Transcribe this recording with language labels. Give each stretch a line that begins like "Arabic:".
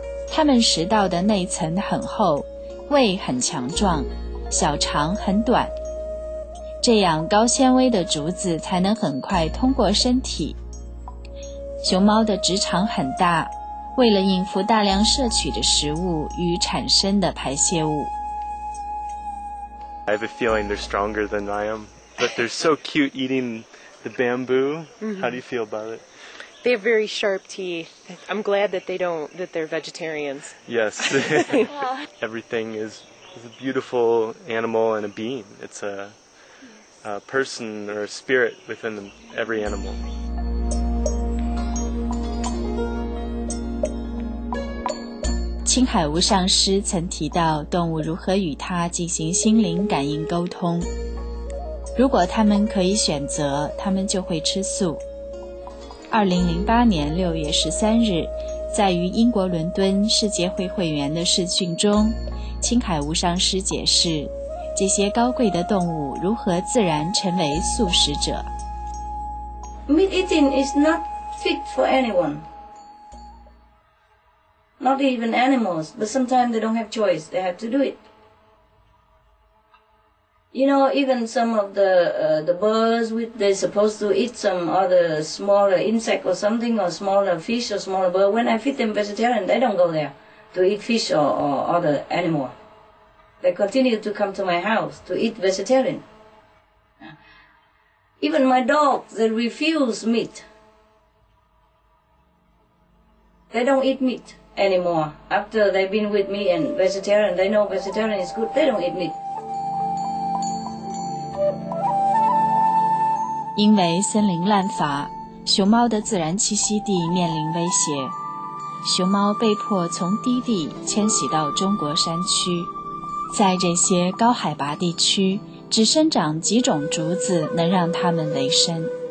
Chinese: 它们食道的内层很厚，胃很强壮，小肠很短。这样高纤维的竹子才能很快通过身体。熊猫的直肠很大，为了应付大量摄取的食物与产生的排泄物。
English: I have a feeling they're stronger than I am, but they're so cute eating the bamboo. How do you feel about it? They have very sharp teeth. I'm glad that they're vegetarians. Yes. Everything is a beautiful animal and a being. It's a person or a spirit within every animal.
Chinese: 青海无上师曾提到动物如何与它进行心灵感应沟通，如果它们可以选择，它们就会吃素。 2008年6月13日，在于英国伦敦世界会会员的视讯中，青海无上师解释这些高贵的动物如何自然成为素食者。
English: Meat eating is not fit for anyone, not even animals, but sometimes they don't have choice, they have to do it. You know, even some of the birds, they're supposed to eat some other smaller insect or something, or smaller fish or smaller bird, when I feed them vegetarian, they don't go there to eat fish or other animal. They continue to come to my house to eat vegetarian. Even my dog, they refuse meat. They don't eat meat anymore. After they've been with me and vegetarian, they know vegetarian is good, they don't eat meat.
Chinese: 因为森林滥伐，熊猫的自然栖息地面临威胁，熊猫被迫从低地迁徙到中国山区。在这些高海拔地区，只生长几种竹子能让它们维生。